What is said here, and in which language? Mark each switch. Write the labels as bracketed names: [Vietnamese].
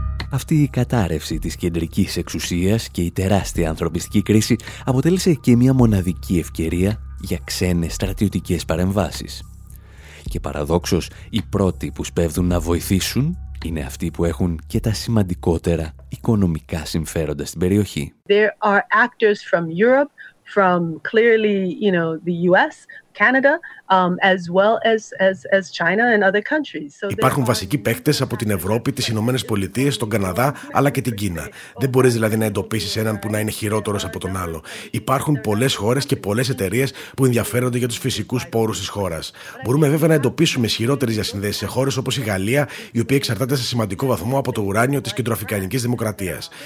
[Greek] Αυτή η κατάρρευση της κεντρικής εξουσίας και η τεράστια ανθρωπιστική κρίση αποτέλεσε και μια μοναδική ευκαιρία για ξένες στρατιωτικές παρεμβάσεις. Και παραδόξως, οι πρώτοι που σπέβδουν να βοηθήσουν είναι αυτοί που έχουν και τα σημαντικότερα οικονομικά συμφέροντα στην περιοχή. [English] There are actors from Europe, from clearly, you know, the US, Canada, as well as China and other countries. [Greek] So υπάρχουν βασικοί παίκτες από την Ευρώπη, τις Ηνωμένες Πολιτείες, τον Καναδά, αλλά και την Κίνα. Δεν μπορείς δηλαδή να εντοπίσεις έναν που να είναι χειρότερος από τον άλλο. Υπάρχουν πολλές χώρες και πολλές εταιρείες που ενδιαφέρονται για τους φυσικούς πόρους της χώρας. Μπορούμε βέβαια να εντοπίσουμε ισχυρότερες διασυνδέσεις σε χώρες όπως η Γαλλία, η οποία εξαρτάται σε σημαντικό βαθμό από το ουράνιο της Κεντροαφρικανικής Δημοκρατίας.